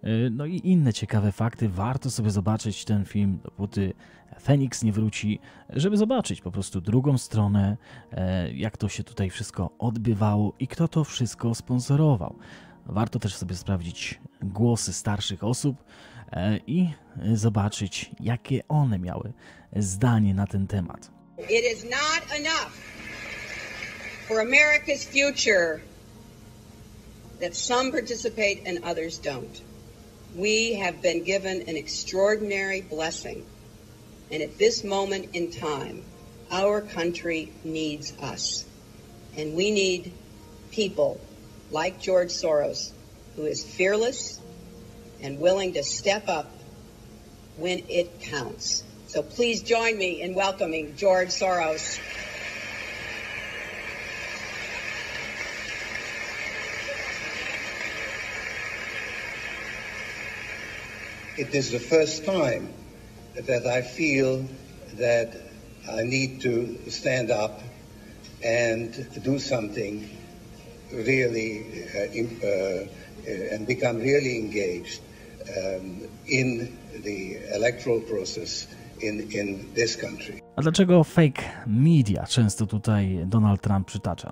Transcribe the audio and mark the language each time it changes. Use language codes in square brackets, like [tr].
[pl] No i inne ciekawe fakty. Warto sobie zobaczyć ten film, dopóty Feniks nie wróci, żeby zobaczyć po prostu drugą stronę, jak to się tutaj wszystko odbywało i kto to wszystko sponsorował. Warto też sobie sprawdzić głosy starszych osób i zobaczyć, jakie one miały zdanie na ten temat. [en] It is not enough for America's future that some participate and others don't. We have been given an extraordinary blessing, and at this moment in time, our country needs us, and we need people like George Soros, who is fearless and willing to step up when it counts. So please join me in welcoming George Soros. It is the first time that I feel that I need to stand up and do something really and become really engaged in the electoral process in this country. [pl] A dlaczego fake media często tutaj Donald Trump przytacza?